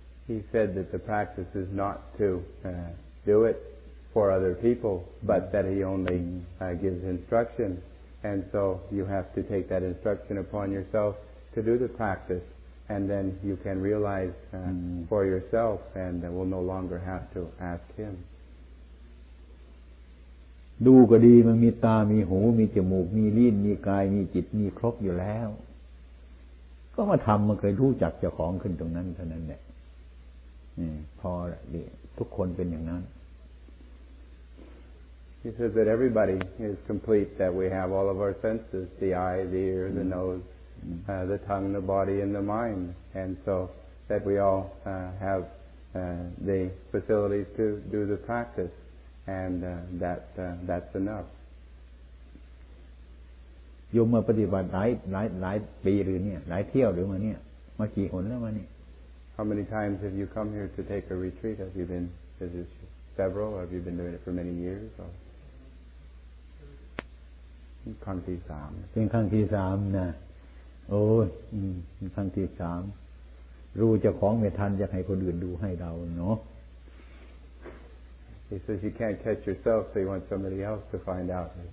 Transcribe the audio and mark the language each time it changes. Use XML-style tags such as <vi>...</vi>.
<en>He said that the practice is not to do it for other people but that he only gives instruction and so you have to take that instruction upon yourself to do the practice and then you can realize for yourself and will no longer have to ask him</en> <th>ดูก็ดีมันมีตามีหูมีจมูกมีลิ้นมีกายมีจิตมีครบอยู่แล้วก็มาทำมันเคยรู้จักเจ้าของขึ้นตรงนั้นเท่านั้นแหละพอละทุกคนเป็นอย่างนั้น</th> <en>He says that everybody is complete that we have all of our senses the eye the ear the nose the tongue the body and the mind and so that we all have the facilities to do the practice, and that's enough.</en> <th>โยมมาปฏิบัติหลายปีหรือเนี่ยหลายเที่ยวหรือมาเนี่ยมากี่หนแล้วมาเนี่ย</th> <en>How many times have you come here to take a retreat? Have you been is it several? Have you been doing it for many years? Or</en> <th>ครั้งที่สาม เป็นครั้งที่สามนะโอ้ยครั้งที่สามรู้จะของไม่ทันอยากให้คนอื่นดูให้เราเนาะ He says you can't catch yourself, so you want somebody else to find out.</th>